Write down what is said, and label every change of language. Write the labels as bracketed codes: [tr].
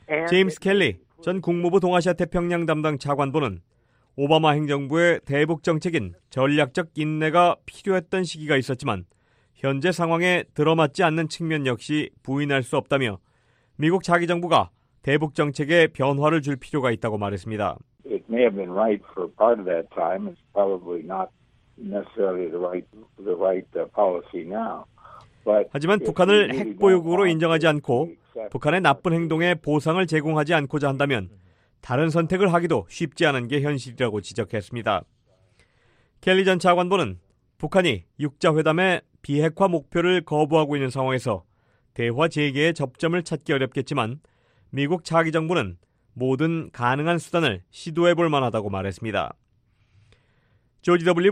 [ko] 제임스 켈리 전 국무부 동아시아 태평양 담당 차관보는 오바마 행정부의 대북 정책인 전략적 인내가 필요했던 시기가 있었지만 현재 상황에 들어맞지 않는 측면 역시 부인할 수 없다며 미국 자기 정부가 대북 정책에 변화를 줄 필요가 있다고 말했습니다. [en] It may have been right for part of that time. It's probably not necessarily the right policy now. [ko] 하지만 북한을 핵 보유국으로 인정하지 않고 북한의 나쁜 행동에 보상을 제공하지 않고자 한다면 다른 선택을 하기도 쉽지 않은 게 현실이라고 지적했습니다. 켈리 전 차관보는 북한이 6자회담의 비핵화 목표를 거부하고 있는 상황에서 대화 재개의 접점을 찾기 어렵겠지만 미국 차기 정부는 모든 가능한 수단을 시도해 볼 만하다고 말했습니다. 조지 W.